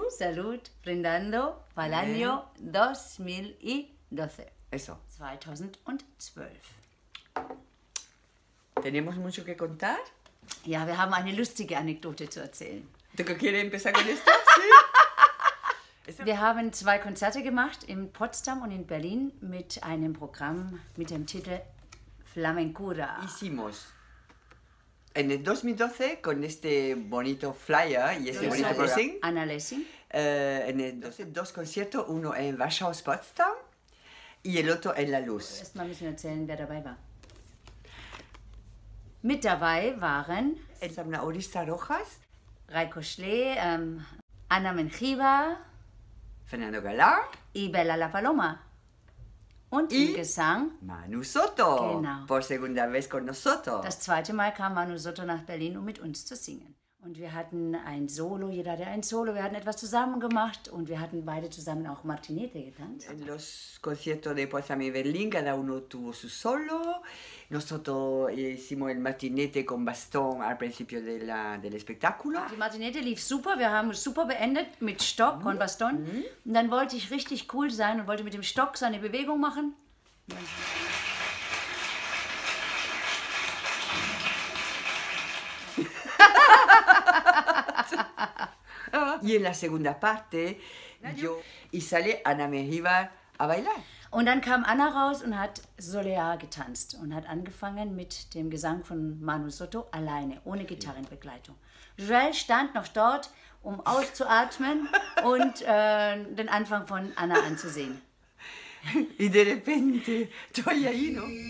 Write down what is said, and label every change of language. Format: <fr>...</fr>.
<es>Salud, brindando para el año 2012. Eso. 2012. ¿Tenemos mucho que contar?</es> <de>Ja, wir haben eine lustige Anekdote zu erzählen.</de> <es>¿Tú quieres empezar con esto? Sí.</es> <de>Wir haben zwei Konzerte gemacht in Potsdam und in Berlin mit einem Programm mit dem Titel Flamencura.</de> <es>Hicimos. En el 2012, con este bonito flyer y este bonito Lessing, Anna Lessing. En el 12, dos conciertos, uno en Warschau, Potsdam, y el otro en La Luz.</es> <de>Erstmal müssen wir erzählen, wer dabei war. Mit dabei waren Elsa Orista Rojas, Raiko Schlee, Anna Menjiva, Fernando Galán y Bella La Paloma. Und im Gesang Manu Sotto, genau.</de> <es>Por segunda vez con nosotros.</es> <de>Das zweite Mal kam Manu Sotto nach Berlin, um mit uns zu singen. Und wir hatten ein Solo, jeder hatte ein Solo, wir hatten etwas zusammen gemacht und wir hatten beide zusammen auch Martinete getanzt.</de> <es>En los conciertos de Potsdam y Berlín, cada uno tuvo su solo. Nosotros hicimos el Martinete con Bastón al principio de la, del espectáculo.</es> <de>Die Martinete lief super, wir haben super beendet mit Stock und Bastón. Und dann wollte ich richtig cool sein und wollte mit dem Stock seine Bewegung machen.</de> <es>Y en la segunda parte, yo y sale Ana Mejía a bailar.</es> <de>Und dann kam Anna raus und hat Solear getanzt und hat angefangen mit dem Gesang von Manu Sotto alleine, ohne Gitarrenbegleitung. Joel stand noch dort, um auszuatmen und den Anfang von Anna anzusehen.</de> <es>Y de repente, estoy ahí, ¿no?</es>